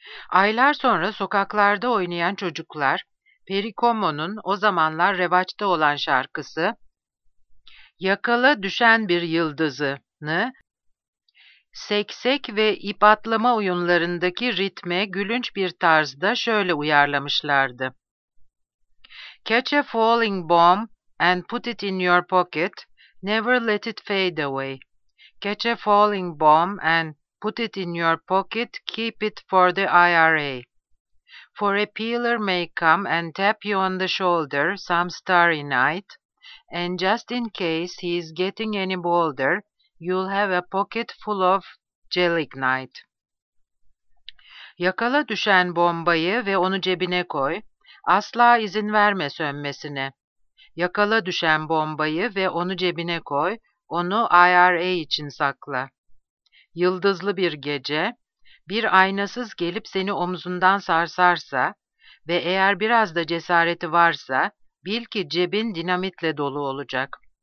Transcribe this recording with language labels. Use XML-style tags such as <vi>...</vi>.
<tr>Aylar sonra sokaklarda oynayan çocuklar, Perry Como'nun o zamanlar revaçta olan şarkısı, "Yakala düşen bir yıldızı"nı, seksek ve ip atlama oyunlarındaki ritme gülünç bir tarzda şöyle uyarlamışlardı.</tr> <en>"Catch a falling bomb and put it in your pocket, never let it fade away. Catch a falling bomb and put it in your pocket, keep it for the IRA. For a peeler may come and tap you on the shoulder some starry night, and just in case he is getting any bolder, you'll have a pocket full of gelignite."</en> <tr>Yakala düşen bombayı ve onu cebine koy, asla izin verme sönmesine. Yakala düşen bombayı ve onu cebine koy, onu IRA için sakla. Yıldızlı bir gece, bir aynasız gelip seni omzundan sarsarsa ve eğer biraz da cesareti varsa, bil ki cebin dinamitle dolu olacak.</tr>